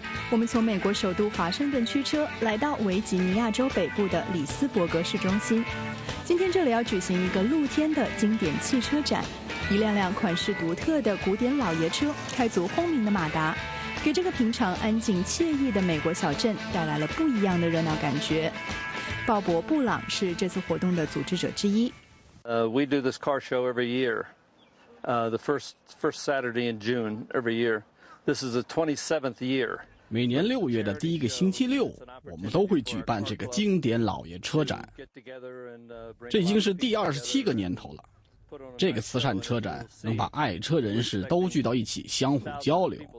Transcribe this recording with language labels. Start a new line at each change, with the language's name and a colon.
Chinese: 我们从美国首都华盛顿驱车来到维吉尼亚州北部的里斯伯格市中心，今天这里要举行一个露天的经典汽车展，一辆辆款式独特的古典老爷车开足轰鸣的马达，给这个平常安静惬意的美国小镇带来了不一样的热闹感觉。鲍勃·布朗是这次活动的组织者之一。
English: We do this car show every year, the first Saturday in June every year. This is the 27th year.
Chinese: 每年六月的第一个星期六，我们都会举办这个经典老爷车展，这已经是第27个年头了。这个慈善车展能把爱车人士都聚到一起相互交流。